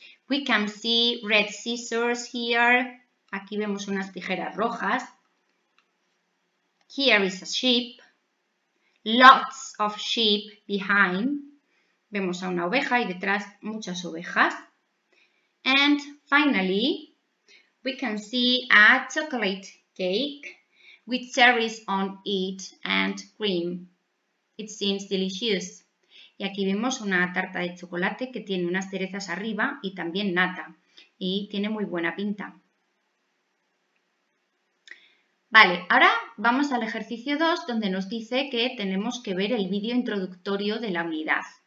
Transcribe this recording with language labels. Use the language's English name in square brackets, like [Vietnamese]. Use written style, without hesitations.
[English] We can see red scissors here. [Spanish] Aquí vemos unas tijeras rojas. [English] Here is a sheep. Lots of sheep behind. [Spanish] Vemos a una oveja y detrás muchas ovejas. [English] And finally, we can see a chocolate cake with cherries on it and cream. It seems delicious. [Spanish] Y aquí vemos una tarta de chocolate que tiene unas cerezas arriba y también nata. Y tiene muy buena pinta. Vale, ahora vamos al ejercicio 2 donde nos dice que tenemos que ver el vídeo introductorio de la unidad.